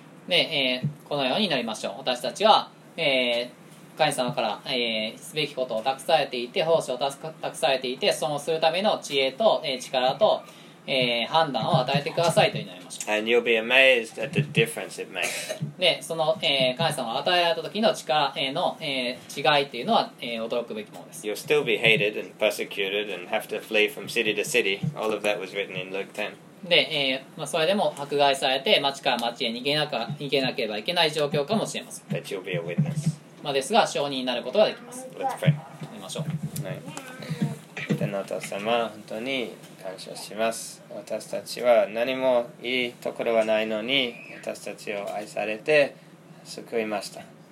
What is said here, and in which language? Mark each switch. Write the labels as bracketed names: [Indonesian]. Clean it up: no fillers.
[Japanese] で、このようになりましょう。私たちは、神様から、すべきことを託されていて、奉仕を託されていて、そのするための知恵と、力と、判断を与えてくださいと祈りましょう。 [English] And you'll be amazed at the difference it makes. [Japanese] で、その、神様が与えられた時の力の、違いというのは、驚くべきものです。 [English] You'll still be hated and persecuted and have to flee from city to city. All of that was written in Luke 10. [Japanese] で、それでも迫害されて、町から町へ逃げなければいけない状況かもしれません。 [English] But you'll be a witness. [Japanese] まあ、ですが証人になることができます。 [English] Let's pray. [Japanese] 祈りましょう。はい。天のお父様、本当に感謝します。私たちは何もいいところはないのに、私たちを愛されて救いました。